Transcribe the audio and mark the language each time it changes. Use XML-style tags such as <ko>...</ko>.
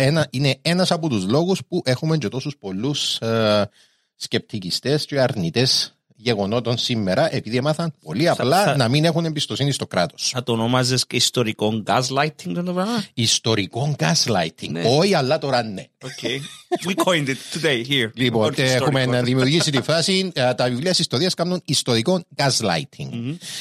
<el>Είναι ένας από τους λόγους που έχουμε και τόσους πολλούς σκεπτικιστές και αρνητές γεγονότων σήμερα, επειδή έμαθαν πολύ απλά να μην έχουν εμπιστοσύνη στο κράτος. Θα το ονομάζεις και ιστορικό gaslighting, το πράγμα. Ιστορικό gaslighting. Ναι. Όχι, αλλά τώρα ναι.</el> <en>Okay. We coined it today here.</en> <el>Λοιπόν, έχουμε δημιουργήσει τη φράση τα βιβλία της ιστορίας κάνουν ιστορικό gaslighting. Mm-hmm.</el>